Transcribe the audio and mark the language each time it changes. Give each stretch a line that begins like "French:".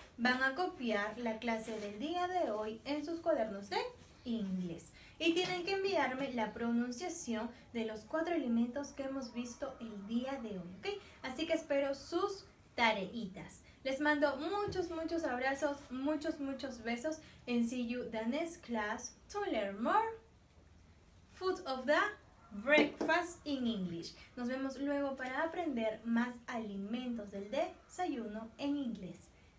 Spanish: Van a copiar la clase del día de hoy en sus cuadernos de inglés. Y tienen que enviarme la pronunciación de los cuatro alimentos que hemos visto el día de hoy, ¿ok? Así que espero sus tareitas. Les mando muchos, muchos abrazos, muchos, muchos besos.
English: And see you the next class to learn more food of the breakfast in English.
Spanish: Nos vemos luego para aprender más alimentos del desayuno en inglés.